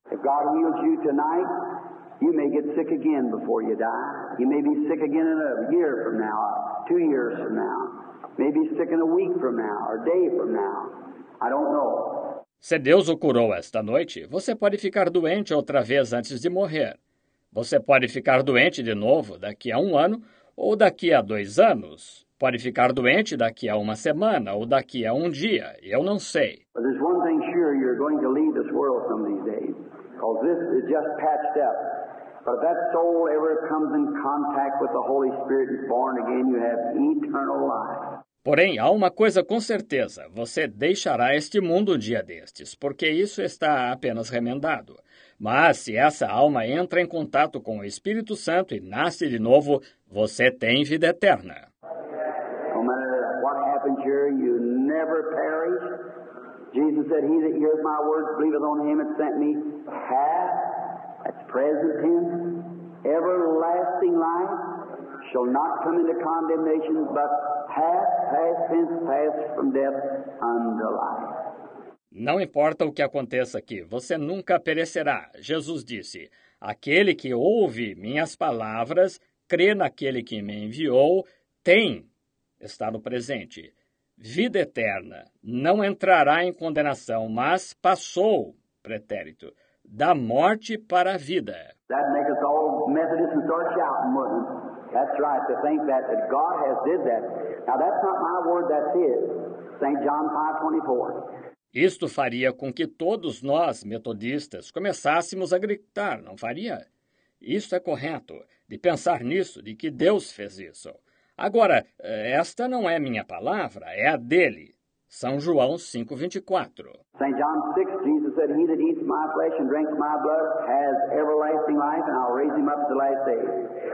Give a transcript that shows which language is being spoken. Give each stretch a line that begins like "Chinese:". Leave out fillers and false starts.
English: If God heals you tonight, you may get sick again before you die. You may be sick again in a year from now, 2 years from now. Maybe sick in a week from now, or a day from now. I don't know.
Portuguese: Se Deus o curou esta noite, você pode ficar doente outra vez antes de morrer. Você pode ficar doente de novo daqui a um ano ou daqui a 2 anos. Pode ficar doente daqui a uma semana ou daqui a um dia. Eu não sei.
English: But there's one thing sure, you're going to leave this world some of these days. Because this is just patched up. But if that soul ever comes in contact with the Holy Spirit and is born again, you have eternal life.
Portuguese: Porém, há uma coisa com certeza, você deixará este mundo um dia destes, porque isso está apenas remendado. Mas se essa alma entra em contato com o Espírito Santo e nasce de novo, você tem vida eterna.
English: No matter what happens here, you never perish. Jesus said, he that heareth my words, believeth on him that sent me, hath, that's present tense, everlasting life, shall not come into condemnation, but past from death unto life.
Portuguese: Não importa o que aconteça aqui, você nunca perecerá. Jesus disse, aquele que ouve minhas palavras, crê naquele que me enviou, tem, está no presente, vida eterna, não entrará em condenação, mas passou, pretérito, da morte para a vida.
English: That makes us all Methodists and start shouting, wasn't it? That's right, to think that God has did that. Now that's not my word, that's his. St. John 5:24.
Portuguese: Isto faria com que todos nós, metodistas, começássemos a gritar, não faria? Isto é correto, de pensar nisso, de que Deus fez isso. Agora, esta não é minha palavra, é a dele. São João 5:24.
English: St. John 6, Jesus said, he that eats my flesh and drinks my blood has everlasting life, and I'll raise him up to the last day.